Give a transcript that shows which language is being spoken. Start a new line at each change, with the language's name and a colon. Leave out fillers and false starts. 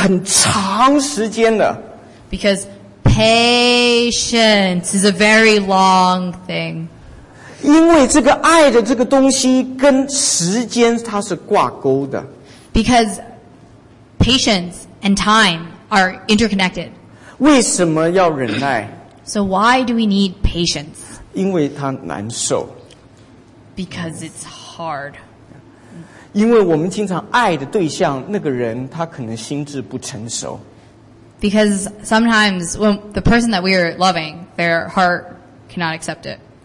Chinese: 因为忍耐是很长时间的。
English: Because patience is a very long thing.
Chinese: 因为这个爱的这个东西跟时间它是挂钩的。
English: Because patience and time are interconnected.
Chinese: 为什么要忍耐?
English: So why do we need patience?
Chinese: 因为它难受。
English: Because it's hard.
Chinese: 因为我们经常爱的对象,那个人他可能心智不成熟。
English: Because sometimes when the person that we are loving, their heart cannot accept it.